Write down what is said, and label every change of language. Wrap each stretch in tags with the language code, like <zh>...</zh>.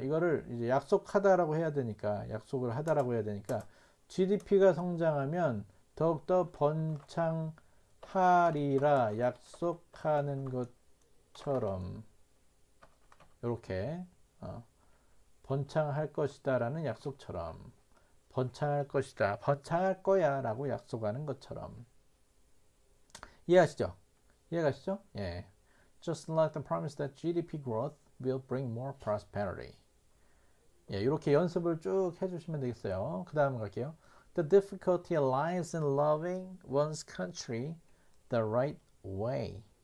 <ko>이거를 이제 약속하다라고 해야 되니까, 약속을 하다라고 해야 되니까, GDP가 성장하면, 더욱더 번창하리라 약속하는 것처럼 이렇게 번창할 것이다라는 약속처럼 번창할 것이다 번창할 거야라고 약속하는 것처럼 이해하시죠? 이해가시죠? 예.</ko> <en>Just like the promise that GDP growth will bring more prosperity.</en> <ko>예, 이렇게 연습을 쭉 해주시면 되겠어요. 그 다음 갈게요.</ko> <en>The difficulty lies in loving one's country the right way.</en>